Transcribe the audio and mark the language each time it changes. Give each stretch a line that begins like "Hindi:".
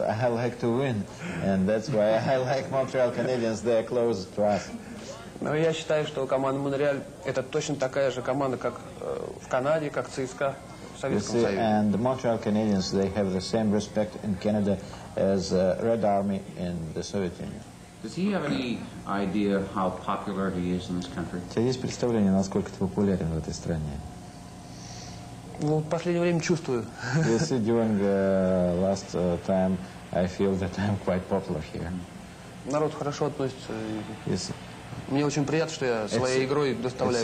English: I like to win, and that's why I like Montreal Canadiens. They are close to us.
Russian: Но я считаю, что команда Монреаль это точно такая же команда, как в Канаде, как ЦСКА.
English: You see, and the Montreal Canadiens, they have the same respect in Canada as Red Army in the Soviet Union. Does he have any idea how popular he is in this country?
Russian: У тебя есть представление, насколько ты популярен в этой стране? Ну, в последнее время чувствую.
English: You see, during last time, I feel that I'm quite popular here.
Russian: Народ хорошо относится.
English: Yes.
Russian: Мне очень приятно, что я своей игрой доставляю